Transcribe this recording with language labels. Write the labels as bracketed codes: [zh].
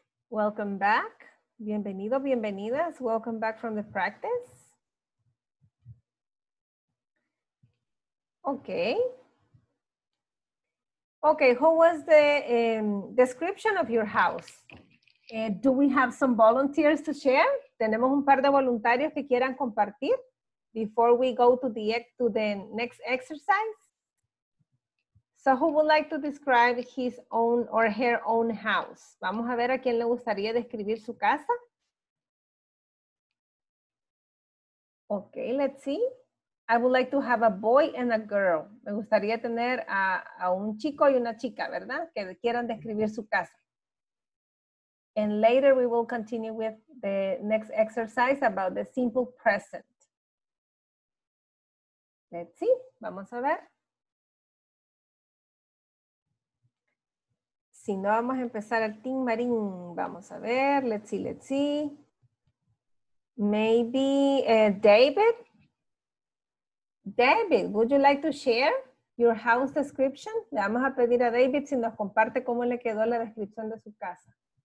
[en] Welcome back. [es] Bienvenido, bienvenidas. [en] Welcome back from the practice. Okay. Okay, who was the description of your house? Do we have some volunteers to share? [es] ¿Tenemos un par de voluntarios que quieran compartir? [en] Before we go to the next exercise. So who would like to describe his own or her own house? [es] Vamos a ver a quién le gustaría describir su casa. [en] Okay, let's see. I would like to have a boy and a girl. [es] Me gustaría tener a un chico y una chica, ¿verdad? Que quieran describir su casa. [en] And later we will continue with the next exercise about the simple present. Let's see, [es] vamos a ver. Si no, vamos a empezar el Team Marín. Vamos a ver, [en] let's see, let's see. Maybe David. David, would you like to share your house description? [es] Le vamos a pedir a David si nos comparte cómo le quedó la descripción de su casa.